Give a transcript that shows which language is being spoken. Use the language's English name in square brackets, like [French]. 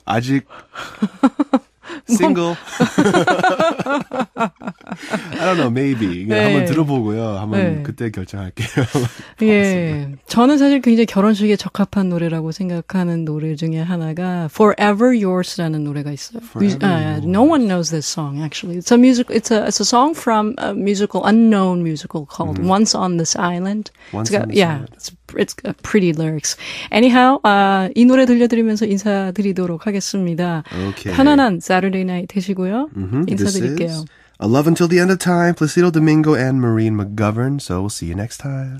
[Korean] 아직. [English] Single. I don't know, maybe. [Korean] 네. 한번 들어보고요. 한번 네. 그때 결정할게요. 예. 저는 사실 굉장히 결혼식에 적합한 노래라고 생각하는 노래 중에 하나가 Forever Yours라는 노래가 있어요. [English] No one knows this song, actually. It's a musical, it's a song from a musical, unknown musical called Once on This Island. Once on This Island. Yeah. It's It's pretty lyrics. [Korean] Anyhow, 이 노래 들려드리면서 인사드리도록 하겠습니다. [English] Okay. [Korean] 편안한 Saturday night 되시고요. Mm-hmm. 인사드릴게요. [English] This is A Love Until the End of Time, Placido Domingo and Maureen McGovern. So we'll see you next time.